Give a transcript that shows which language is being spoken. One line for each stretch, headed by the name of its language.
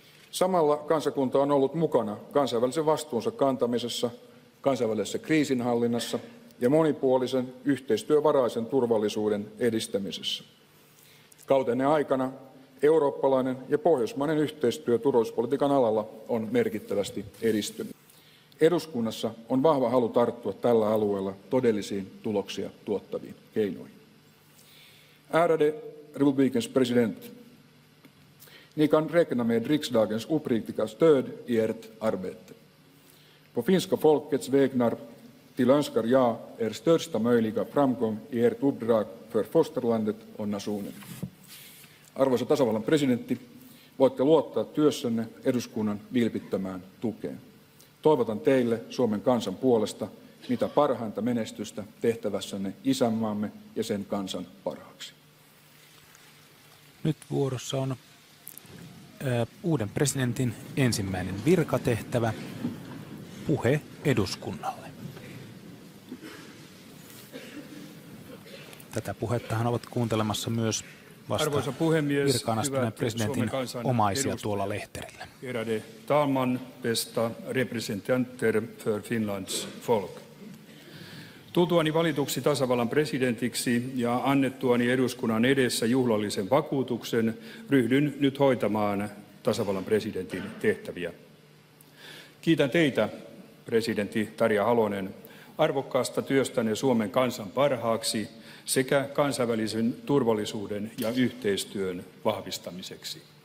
Finnish: Samalla kansakunta on ollut mukana kansainvälisen vastuunsa kantamisessa, kansainvälisessä kriisinhallinnassa ja monipuolisen yhteistyövaraisen turvallisuuden edistämisessä. Kautenne aikana eurooppalainen ja pohjoismainen yhteistyö turvallisuuspolitiikan alalla on merkittävästi edistynyt. Eduskunnassa on vahva halu tarttua tällä alueella todellisiin tuloksia tuottaviin keinoihin.
Swedish: Ärade republikens president, ni kan räkna med riksdagens uppriktiga stöd i ert arbete. På finska folkets vägnar tillönskar jag er största möjliga framgång i ert uppdrag för fosterlandet och nationen.
Finnish: Arvoisa tasavallan presidentti, voitte luottaa työssänne eduskunnan vilpittämään tukeen. Toivotan teille Suomen kansan puolesta mitä parhainta menestystä tehtävässänne isänmaamme ja sen kansan parhaaksi. Nyt vuorossa on uuden presidentin ensimmäinen virkatehtävä, puhe eduskunnalle. Tätä puhettahan ovat kuuntelemassa myös arvoisa puhemies, virkaanastuneen presidentin omaisia tuolla lehterillä.
Swedish: Ärade talman, bästa representanter för Finlands folk.
Finnish: Tultuani valituksi tasavallan presidentiksi ja annettuani eduskunnan edessä juhlallisen vakuutuksen, ryhdyn nyt hoitamaan tasavallan presidentin tehtäviä. Kiitän teitä, presidentti Tarja Halonen, arvokkaasta työstänne Suomen kansan parhaaksi sekä kansainvälisen turvallisuuden ja yhteistyön vahvistamiseksi.